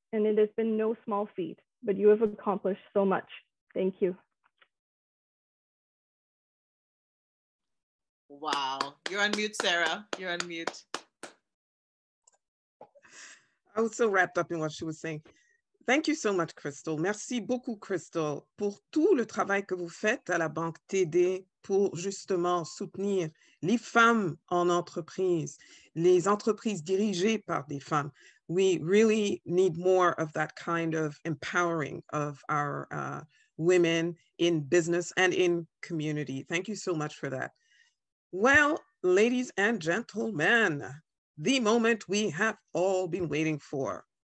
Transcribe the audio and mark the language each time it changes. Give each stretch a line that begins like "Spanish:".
English: And it has been no small feat, but you have accomplished so much. Thank you. Wow. You're on mute, Sarah. You're on mute. I was so wrapped up in what she was saying. Thank you so much, Crystal.
French: Merci beaucoup, Crystal, pour tout le travail que vous faites à la Banque TD pour justement soutenir les femmes en entreprise, les entreprises dirigées par des femmes.
English: We really need more of that kind of empowering of our women in business and in community. Thank you so much for that. Well, ladies and gentlemen, the moment we have all been waiting for.